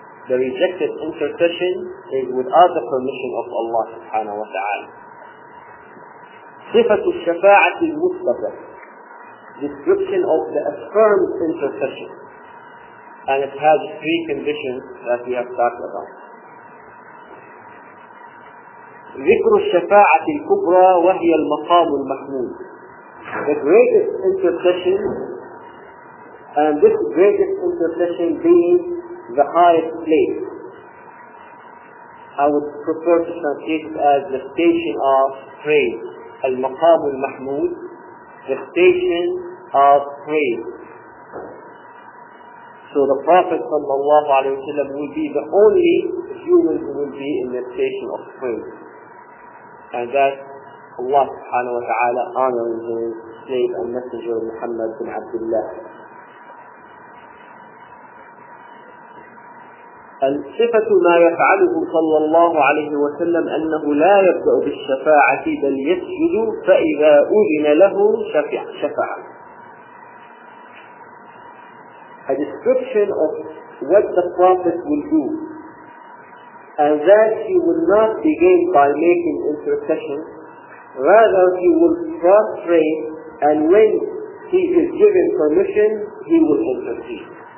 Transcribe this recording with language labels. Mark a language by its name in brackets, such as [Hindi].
[English] The rejected intercession is without the permission of Allah subhanahu wa ta'ala. [Arabic] Sifat al-shafa'at al-mustafa, [English] description of the affirmed intercession. And it has three conditions that we have talked about. [Arabic] ذكر الشفاعة الكبرى وهي المقام المحمود. [English] The greatest intercession, and this greatest intercession being the highest place. I would prefer to translate it as the station of praise. [Arabic] المقام المحمود, [English] the station of praise. So the Prophet sallallahu alayhi wa sallam will be the only human who will be in the station of praise. And that Allah subhanahu wa ta'ala honoring his slave and messenger Muhammad bin Abdullah. [Arabic] الصفة ما يفعله صلى الله عليه وسلم أنه لا يبدأ بالشفاعة بل يسجد فإذا أذن له شفع. [English] A description of what the Prophet will do, and that he will not begin by making intercession, rather he will prostrate, and when he is given permission, he will intercede.